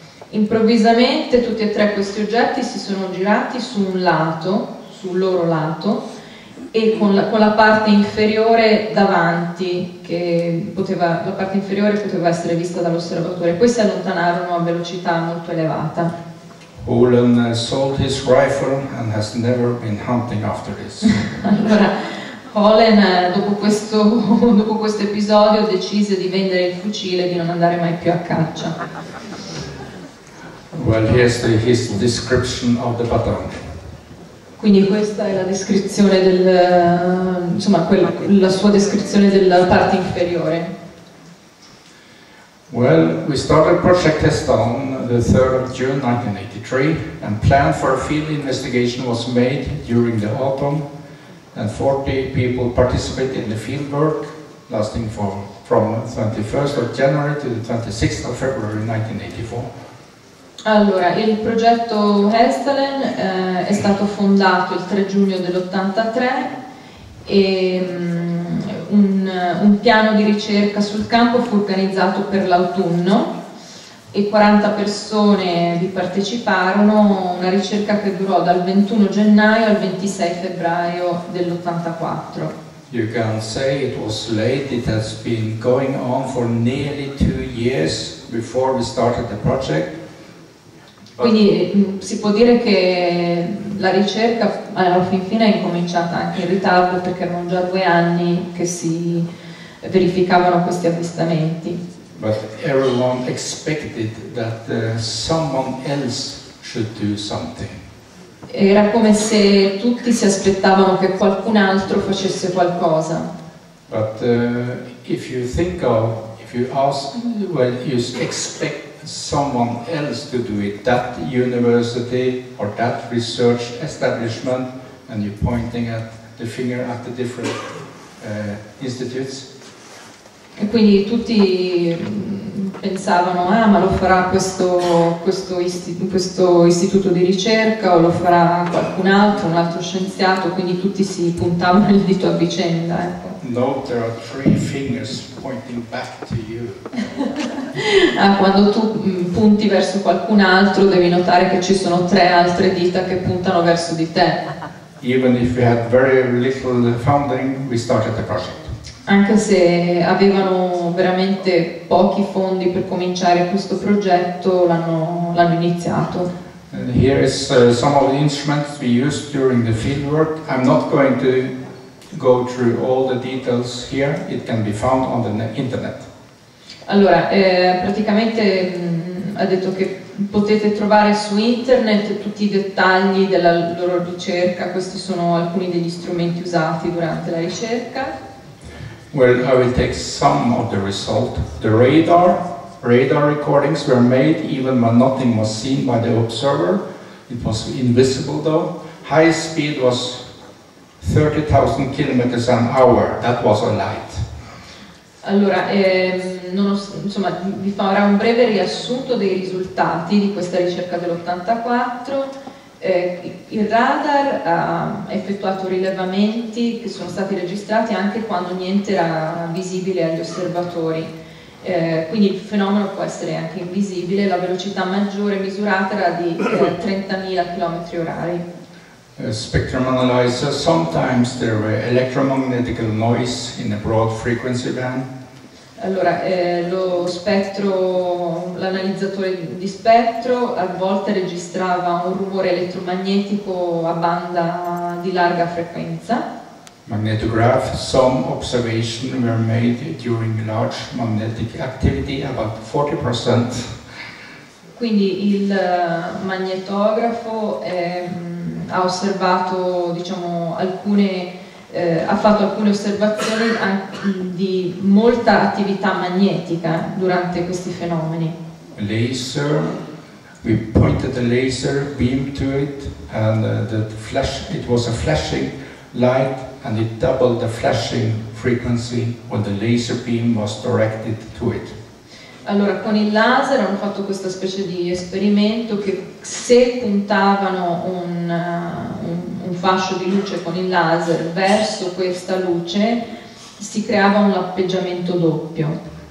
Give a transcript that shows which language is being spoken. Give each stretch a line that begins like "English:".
Italian: Improvvisamente tutti e tre questi oggetti si sono girati su un lato, sul loro lato, e con la parte inferiore davanti, che poteva, la parte inferiore poteva essere vista dall'osservatore. Poi si allontanarono a velocità molto elevata.
English: Holland sold his rifle and has never been hunting after this.
Italian: Allora, Holland dopo questo episodio decise di vendere il fucile e di non andare mai più a caccia.
English: Well, here's the, his description of the pattern.
Italian: Quindi questa è la descrizione del, insomma, quella, la sua descrizione della parte inferiore.
English: Well, we started Project Keystone the 3rd of June 1983 and plan for a field investigation was made during the autumn and 40 people participated in the field work lasting for, from 21st of January to the 26th of February 1984.
Italian: Allora, il progetto Hestelen è stato fondato il 3 giugno dell'83 e un piano di ricerca sul campo fu organizzato per l'autunno e 40 persone vi parteciparono, una ricerca che durò dal 21 gennaio al 26 febbraio dell'84.
English: You can say it was late, it has been going on for nearly 2 years before we started the project.
Italian: But quindi si può dire che la ricerca alla fin fine è incominciata anche in ritardo perché erano già 2 anni che si verificavano questi avvistamenti.
English: But everyone expected that someone else should do something.
Italian: Era come se tutti si aspettavano che qualcun altro facesse qualcosa.
English: But if you think of, if you ask, well, you expect someone else to do it, that university or that research establishment, and you're pointing at the finger at the different institutes.
Italian: E quindi tutti pensavano, ah, ma lo farà questo istituto di ricerca o lo farà qualcun altro, un altro scienziato, quindi tutti si puntavano il dito a vicenda, ecco.
English: No, there are 3 fingers pointing back to you.
Italian: Ah, quando tu punti verso qualcun altro devi notare che ci sono 3 altre dita che puntano verso di te.
English: Even if we had very little funding, we started the project.
Italian: Anche se avevano veramente pochi fondi per cominciare questo progetto, l'hanno iniziato.
English: And here is some of the instruments we used during the fieldwork. I'm not going to go through all the details here. It can be found on the internet.
Italian: Allora, praticamente ha detto che potete trovare su internet tutti i dettagli della loro ricerca. Questi sono alcuni degli strumenti usati durante la ricerca.
English: Well, I will take some of the result. The radar recordings were made even when nothing was seen by the observer. It was invisible though. High speed was 30,000 kilometers an hour. That was a light.
Italian: Allora, insomma, vi farò un breve riassunto dei risultati di questa ricerca dell'84. Il radar ha effettuato rilevamenti che sono stati registrati anche quando niente era visibile agli osservatori. Quindi il fenomeno può essere anche invisibile. La velocità maggiore misurata era di 30.000 km orari.
English: Spectrum analyzer, sometimes there were electromagnetic noise in a broad frequency band.
Italian: Allora, lo spettro, l'analizzatore di spettro a volte registrava un rumore elettromagnetico a banda di larga frequenza.
English: Magnetograph, some observations were made during large magnetic activity, about 40%.
Italian: Quindi il magnetografo ha osservato, diciamo, alcune. Ha fatto alcune osservazioni di molta attività magnetica durante questi fenomeni.
English: Laser, we pointed the laser beam to it and the flash, it was a flashing light and it doubled the flashing frequency when the laser beam was directed to it.
Italian: Allora, con il laser hanno fatto questa specie di esperimento che se puntavano un fascio di luce con il laser verso questa luce si creava un appeggiamento doppio.